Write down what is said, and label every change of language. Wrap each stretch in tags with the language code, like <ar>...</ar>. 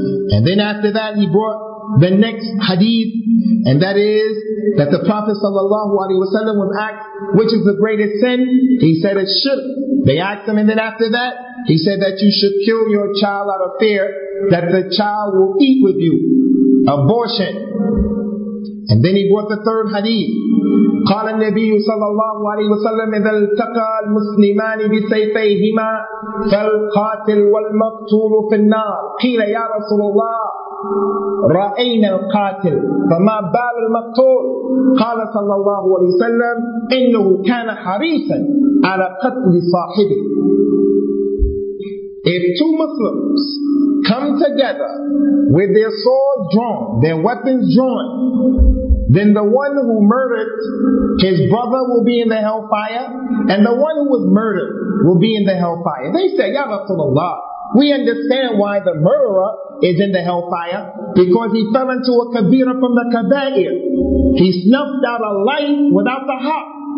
<en>And then after that he brought the next hadith, and that is that the Prophet sallallahu alaihi wasallam was asked, which is the greatest sin? He said it's shirk. They asked him, and then after that he said that you should kill your child out of fear that the child will eat with you. Abortion. And then he brought the third hadith.</en> <ar>قال النبي صلى الله عليه وسلم إذا التقى المسلمان بسيفيهما فالقاتل والمقتول في النار. قيل يا رسول الله رأينا القاتل فما بال المقتول؟ قال صلى الله عليه وسلم إنه كان حريصا على قتل صاحبه.</ar> <en>If two Muslims come together with their swords drawn, their weapons drawn, then the one who murdered his brother will be in the hellfire, and the one who was murdered will be in the hellfire. They say, Ya Rasulullah, we understand why the murderer is in the hellfire, because he fell into a kabira from the kabair. He snuffed out a light without the haq.</en>